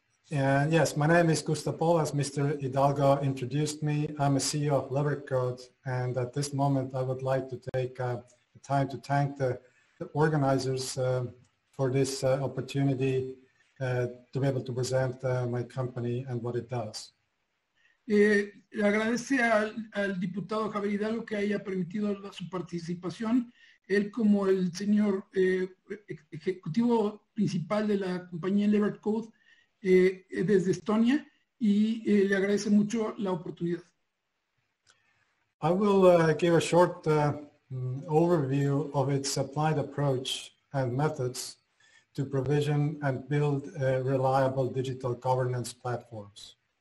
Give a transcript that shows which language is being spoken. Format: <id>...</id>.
<en>Yes, my name is Gustav Poola, as Mr. Hidalgo introduced me. I'm a CEO of Levercode, and at this moment I would like to take the time to thank the organizers for this opportunity to be able to present my company and what it does.</en> <es>Le agradece al diputado Javier Hidalgo que haya permitido su participación. Él, como el señor ejecutivo principal de la compañía Levercode, desde Estonia, y le agradece mucho la oportunidad.</es> <en>I will give a short overview of its applied approach and methods to provision and build reliable digital governance platforms.</en>